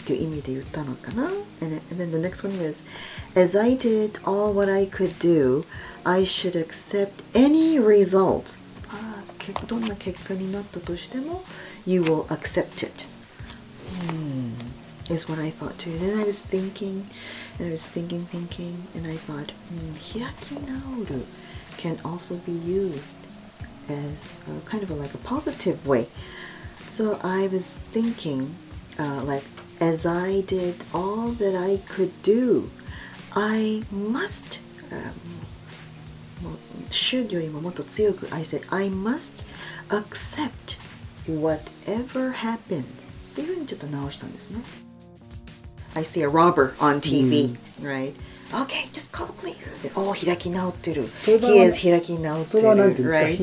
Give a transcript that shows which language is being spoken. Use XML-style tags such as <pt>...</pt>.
<en>And then the next one was, as I did all what I could do, I should accept any result.</en> <ja>どんな結果になったとしても,</ja> <en>you will accept it. Is what I thought too. Then I was thinking, and I was thinking, and I thought, hiraki naoru can also be used as a, kind of a, like a positive way. So I was thinking, like, as I did all that I could do, I must, should</en> <ja>よりももっと強く,</ja> <en>I said, I must accept whatever happens.</en> <ja>っていうふうにちょっと直したんですね。</ja> <en>I see a robber on TV,、right? Okay, just call the police.</en> <ja>おお、開き直ってる。</ja> <en>He is 開き直ってる。</en> <ja>それは何て言うんですか、</ja>